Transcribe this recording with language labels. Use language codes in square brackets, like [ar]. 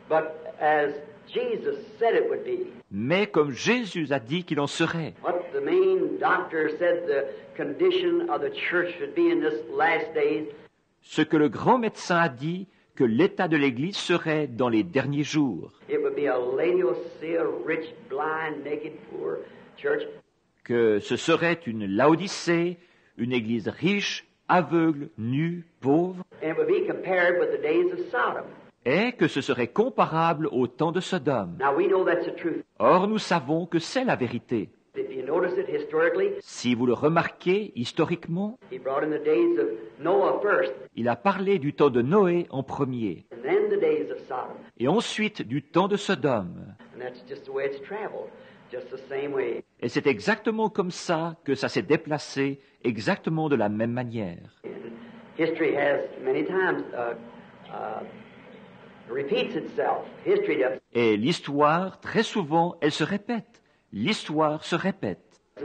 [en] but as Jesus said it would be, [fr] mais comme Jésus a dit qu'il en serait. [en] What the main doctor said the condition of the church should be in this last days. [fr] Ce que le grand médecin a dit, que l'état de l'Église serait dans les derniers jours. [en] It would be a Laodicea, rich, blind, naked, poor church. [fr] Que ce serait une Laodicée, une Église riche, aveugle, nue, pauvre. [en] And it would be compared with the days of Sodom. [fr] Et que ce serait comparable au temps de Sodome. [en] Now we know that's the truth. [fr] Or, nous savons que c'est la vérité. [en] If you notice it historically, [fr] si vous le remarquez historiquement, [en] he brought in the days of Noah first, [fr] il a parlé du temps de Noé en premier, [en] and then the days of Sodom, [fr] et ensuite du temps de Sodome. [en] And that's just the way it's traveled, just the same way. [fr] Et c'est exactement comme ça que ça s'est déplacé, exactement de la même manière. [en] History has many times repeats itself. History does. [fr] Et l'histoire, très souvent, elle se répète. L'histoire se répète.